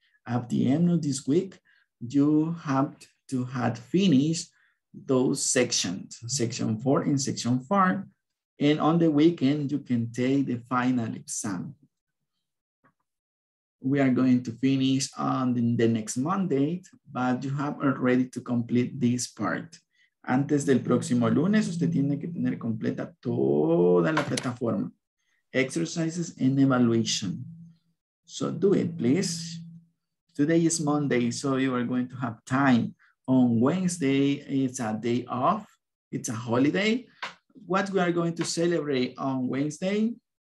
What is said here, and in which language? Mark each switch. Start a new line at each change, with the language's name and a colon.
English: At the end of this week, you have to have finished those sections, section 4 and section 5. And on the weekend, you can take the final exam. We are going to finish on the next Monday, but you have already to complete this part.
Spanish: Antes del próximo lunes, usted tiene que tener completa toda la plataforma.
English: Exercises and evaluation. So do it, please. Today is Monday, so you are going to have time. On Wednesday, it's a day off. It's a holiday. What we are going to celebrate on Wednesday?